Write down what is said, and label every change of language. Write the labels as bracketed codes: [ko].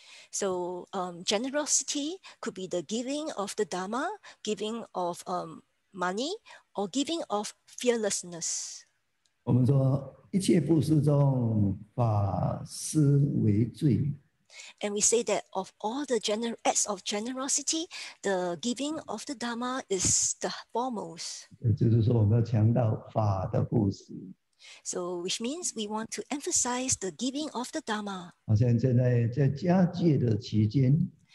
[en] So generosity could be the giving of the Dharma, giving of money, or giving of fearlessness. [zh] 我们说一切布施中，法施为最。 [en] And we say that of all the acts of generosity, the giving of the Dharma is the foremost. [zh] 也就是说，我们要强调法的布施。 [en] So, which means we want to emphasize the giving of the Dharma. [zh] 好像现在在家戒的期间,